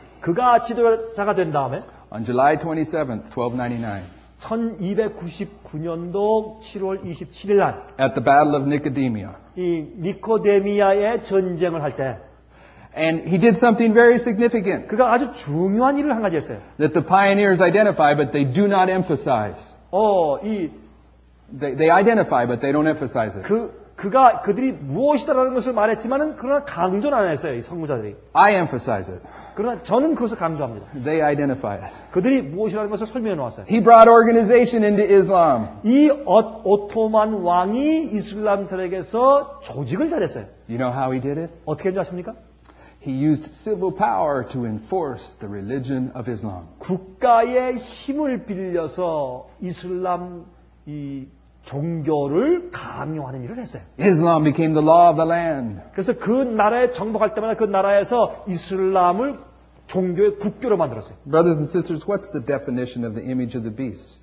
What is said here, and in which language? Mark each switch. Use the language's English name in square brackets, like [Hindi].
[Korean] 그가 지도자가 된 다음에 [English] On July 27th, 1299. [Korean] 1299년도 7월 27일 날 [English] At the Battle of Nicodemia. [Korean] 이 니코데미아의 전쟁을 할 때 [English] And he did something very significant. [Korean] 그가 아주 중요한 일을 한 가지 했어요. [English] That the pioneers identify, but they do not emphasize. 이 they identify, but they don't emphasize it. [Korean] 그가 그들이 무엇이다라는 것을 말했지만은 그러나 강조는 안 했어요, 이 선구자들이. [English] I emphasize it. [Korean] 그러나 저는 그것을 강조합니다. [English] They identify it. [Korean] 그들이 무엇이라는 것을 설명해 놓았어요. [English] He brought organization into Islam. [Korean] 이 오토만 왕이 이슬람 세력에서 조직을 잘했어요. [English] You know how he did it? [Korean] 어떻게 했는지 아십니까? [English] He used civil power to enforce the religion of Islam. [Korean] 국가의 힘을 빌려서 이슬람 이 종교를 강요하는 일을 했어요. [English] Islam became the law of the land. [Korean] 그래서 그 나라에 정복할 때마다 그 나라에서 이슬람을 종교의 국교로 만들었어요. [English] Brothers and sisters, what's the definition of the image of the beast?